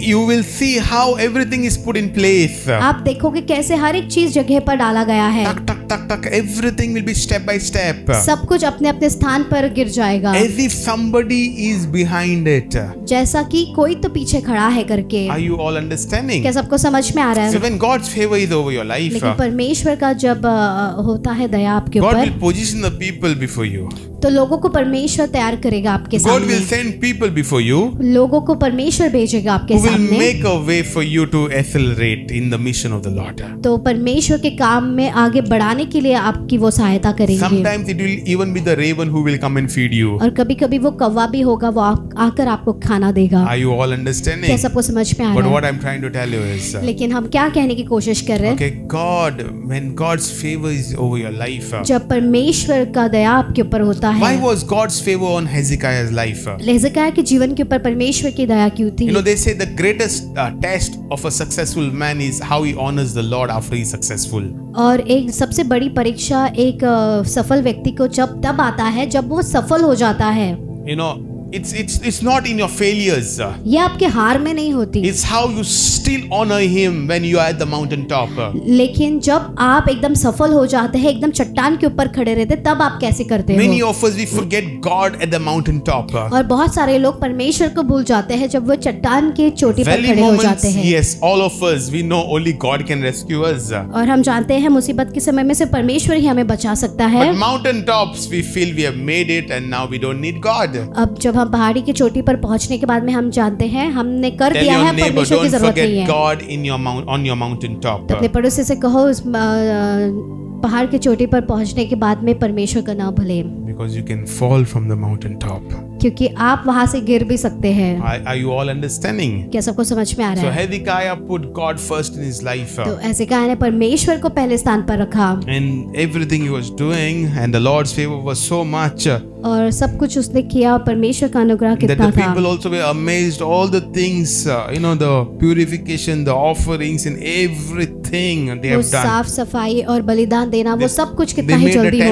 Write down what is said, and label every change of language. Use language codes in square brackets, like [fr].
[en] You will see how everything is put in place. [hi] आप देखोगे कैसे हर एक चीज जगह पर डाला गया है. [en] टक टक टक टक everything will be step by step. [hi] सब कुछ अपने अपने स्थान पर गिर जाएगा. [en] As if somebody is behind it. [hi] जैसा कि कोई तो पीछे खड़ा है करके. [en] Are you all understanding? [hi] क्या सबको समझ में आ रहा है? [en] So when God's favor is over your life. [hi] लेकिन परमेश्वर का जब होता है दया आपके ऊपर. [en] God will position the people before you. [hi] तो लोगों को परमेश्वर तैयार करेगा आपके सामने. [en] God will send people before you. [hi] लोगों को परमेश्वर भेजेगा आपके सामने. [en] Will make a way for you to accelerate in the mission of the Lord. [hi] तो परमेश्वर के काम में आगे बढ़ाने के लिए आपकी वो सहायता करेंगे. [en] Sometimes it will even be the raven who will come and feed you. [hi] और कभी-कभी वो कौवा भी होगा वो आकर आपको खाना देगा. [en] Are you all understanding? [hi] क्या सबको समझ में आ रहा है? [en] But what I'm trying to tell you is. [hi] लेकिन हम क्या कहने की कोशिश कर रहे हैं? [en] Okay, God, when God's favor is over your life. [hi] जब परमेश्वर का दया आपके ऊपर होता [en] Why was God's favor on Hezekiah's life? [hi] हेजेकिया के जीवन के ऊपर परमेश्वर की दया क्यों थी? [en] You know, they say the greatest test of a successful man is how he honors the Lord after he's successful. [hi] और एक सबसे बड़ी परीक्षा एक सफल व्यक्ति को जब तब आता है जब वो सफल हो जाता है. [en] You know, it's not in your failures. [hi] ये आपके हार में नहीं होती. [en] It's how you still honor him when you are at the mountain top. [hi] लेकिन जब आप एकदम सफल हो जाते हैं एकदम चट्टान के ऊपर खड़े रहते तब आप कैसे करते हैं? [en] Many of us we forget God at the mountain top. [hi] और बहुत सारे लोग परमेश्वर को भूल जाते हैं जब वो चट्टान के चोटी पर खड़े हो जाते हैं. [en] Yes, all of us we know only God can rescue us. [hi] और हम जानते हैं मुसीबत के समय में सिर्फ परमेश्वर ही हमें बचा सकता है. [en] But mountain tops we feel we have made it and now we don't need God. [hi] अब जब हम पहाड़ी की चोटी पर पहुंचने के बाद में हम जानते हैं हमने कर दिया है परमेश्वर की जरूरत नहीं है. [en] God in your on your mountain top. [hi] अपने पड़ोसी से कहो उस पहाड़ की चोटी पर पहुंचने के बाद में परमेश्वर का नाम भले. [en] Because you can fall from the mountain top. [hi] क्योंकि आप वहां से गिर भी सकते हैं. [en] Are you all understanding? [hi] क्या सबको समझ में आ रहा है? [en] So Hezekiah put God first in his life. [hi] तो हेजेकिया ने परमेश्वर को पहले स्थान पर रखा. [en] And everything he was doing and the Lord's favor was so much. [hi] और सब कुछ उसने किया परमेश्वर का अनुग्रह कितना था. [en] That the people also were amazed all the things you know the purification the offerings and everything they have done. [hi] वो साफ सफाई और बलिदान देना वो सब कुछ कितना ही जल्दी हो गया.